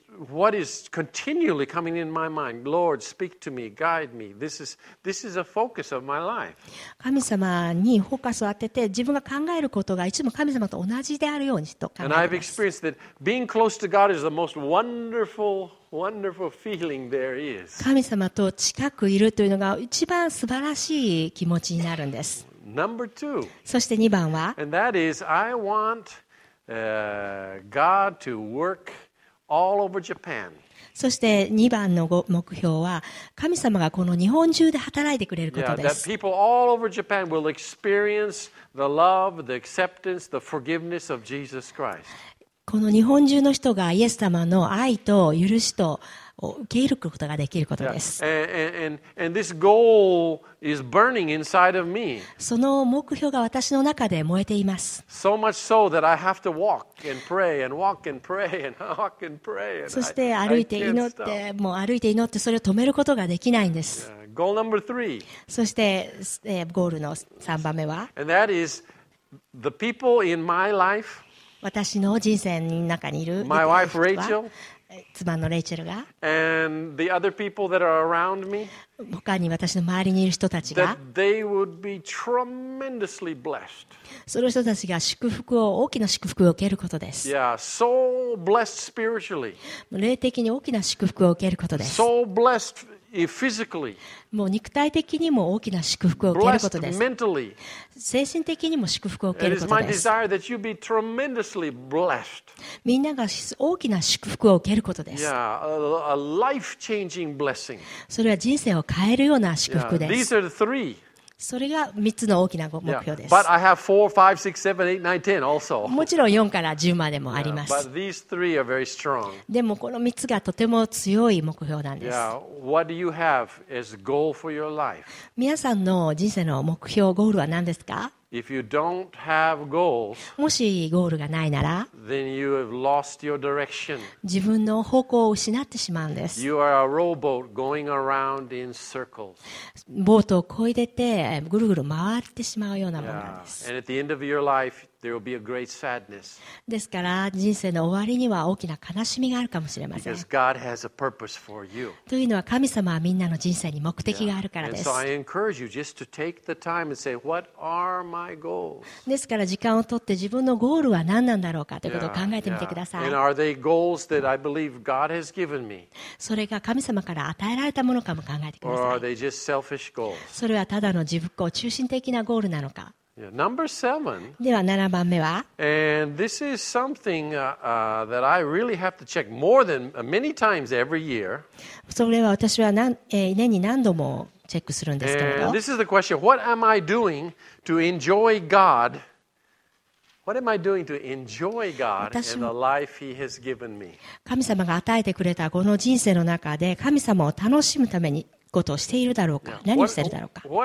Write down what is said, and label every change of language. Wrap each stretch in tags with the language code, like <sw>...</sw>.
<en>what is continually coming in my mind, Lord, speak to me, guide me. This is a focus of my life.</en> <ja>神様にフォーカスを当てて、自分が考えることがいつも神様と同じであるようにと考えます。</ja> <en>And I've experienced that being close to God is the most wonderful, wonderful feeling there is.</en> <ja>神様と近くいるというのが一番素晴らしい気持ちになるんです。</ja> <en>Number two.</en> <ja>そして2番は、</ja> <en>And that is, I want God to work all over Japan.</en> <ja>そして2番の目標は、神様がこの日本中で働いてくれることです。</ja> <en>Yeah, that people all over Japan will experience the love, the acceptance, the forgiveness of Jesus Christ.</en> <ja>この日本中の人がイエス様の愛と許しとを受け入れることができることです。</ja> <en>Yeah. And this goal is burning inside of me.</en> <ja>その目標が私の中で燃えています。</ja> <en>So much so that I have to walk and pray and walk and pray and walk and pray.</en> <ja>そして歩いて祈って、もう歩いて祈ってそれを止めることができないんです。</ja> <en>Yeah. Goal number three.</en> <ja>そして、ゴールの3番目は。</ja> <en>And that is the people in my life.</en> <ja>私の人生の中にいる。</ja> <en>My wife Rachel.</en> <ja>妻のレイチェルが、</ja> <en>And the other people that are around me,</en> <ja>他に私の周りにいる人たちが、</ja> <en>that they would be tremendously blessed.</en> <ja>その人たちが祝福を、大きな祝福を受けることです。</ja> <en>Yeah, so blessed spiritually.</en> <ja>霊的に大きな祝福を受けることです。</ja> <en>So blessed physically.</en> <ja>もう肉体的にも大きな祝福を受けることです。</ja> <en>Blessed mentally.</en> <ja>精神的にも祝福を受けることです。</ja> <en>It is my desire that you be tremendously blessed.</en> <ja>みんなが大きな祝福を受けることです。</ja> <en>Yeah, a life-changing blessing.</en> <ja>それは人生を変えるような祝福です。</ja> <en>Yeah, these are the three.</en> <ja>それが3つの大きな目標です。</ja> <en>But I have 4, 5, 6, 7, 8, 9, 10 also.</en> <ja>もちろん4から10までもあります。</ja> <en>Yeah, but these three are very strong.</en> <ja>でもこの3つがとても強い目標なんです。</ja> <en>Yeah, what do you have as goal for your life?</en> <ja>皆さんの人生の目標、ゴールは何ですか？</ja> <en>If you don't have goals,</en> <ja>もしゴールがないなら、</ja> <en>then you have lost your direction.</en> <ja>自分の方向を失ってしまうんです。</ja> <en>You are a rowboat going around in circles.</en> <ja>ボートを漕いでてぐるぐる回ってしまうようなものなんです。</ja> <en>Yeah. And at the end of your life, there will be a great sadness.</en> <ja>ですから人生の終わりには大きな悲しみがあるかもしれません。</ja> <en>Because God has a purpose for you.</en> <ja>というのは神様はみんなの人生に目的があるからです。</ja> <en>Yeah. And so I encourage you just to take the time and say, what are my goals?</en> <ja>ですから時間を取って自分のゴールは何なんだろうかということを考えてみてください。</ja> <en>Yeah. And are they goals that I believe God has given me?</en> <ja>それが神様から与えられたものかも考えてください。</ja> <en>Or are they just selfish goals?</en> <ja>それはただの自分を中心的なゴールなのか。</ja> <en>Yeah, number seven.</en> <ja>では7番目は。</ja> <en>And this is something that I really have to check more than many times every year.</en> <ja>それは私は年に何度もチェックするんですけれど。</ja> <en>And this is the question: What am I doing to enjoy God? What am I doing to enjoy God and the life He has given me?</en> <ja>神様が与えてくれたこの人生の中で神様を楽しむために。ことをしているだろうか、何をしているだろうか。</ja>